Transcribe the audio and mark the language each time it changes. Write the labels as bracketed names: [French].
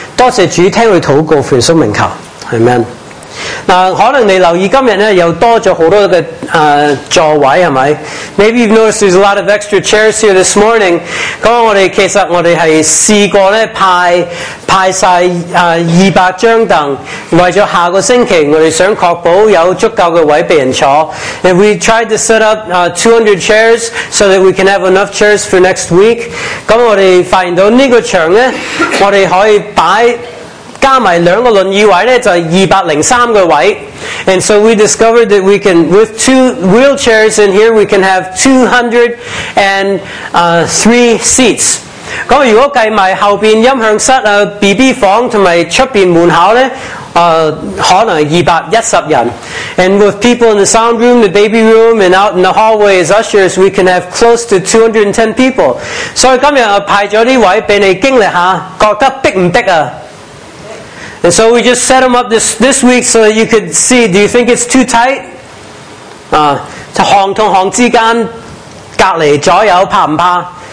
[Cantonese] 多谢主听我们祷告，奉耶稣名求， Amen。可能你留意今天又多了很多的座位，是吧？ [English] Maybe you've noticed there's a lot of extra chairs here this morning。 [Cantonese] 其实我们是试过派200张凳，为了下个星期我们想确保有足够的位置被人坐。 [English] And we tried to set up 200 chairs so that we can have enough chairs for next week。 [Cantonese] 那我们发现到这个墙呢，我们可以摆加埋两个轮椅位呢，就是203个位。 [English] And so we discovered that we can, with two wheelchairs in here, we can have 203 seats。 [Cantonese] 如果计埋后面音响室、BB 房同埋出边门口呢，可能210人。 [English] And with people in the sound room, the baby room, and out in the hallway as ushers, we can have close to 210 people。 [Cantonese] 所以今天派了这位给你经历下，觉得逼不逼啊？ [English] And so we just set them up this week so that you could see, do you think it's too tight? [Cantonese] 行和行之间隔离左右怕不怕？